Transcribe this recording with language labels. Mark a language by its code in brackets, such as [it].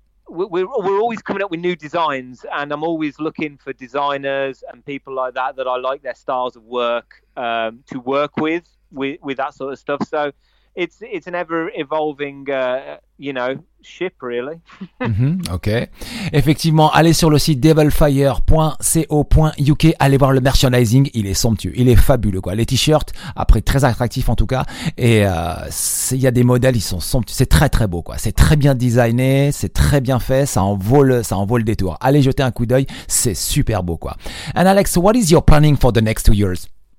[en] We're always coming up with new designs, and I'm always looking for designers and people like that that I like their styles of work to work with that sort of stuff. So It's an ever evolving, you know, ship, really. Mm-hmm, ok. [fr] Effectivement, allez sur le site devilfire.co.uk, allez voir le merchandising, il est somptueux, il est fabuleux, quoi. Les t-shirts, après, très attractifs en tout cas, et il y a des modèles, ils sont somptueux, c'est très très beau, quoi. C'est très bien designé, c'est très bien fait, ça en vaut le détour. Allez jeter un coup d'œil, c'est super beau, quoi. [en] And Alex, what is your planning for the next 2 years?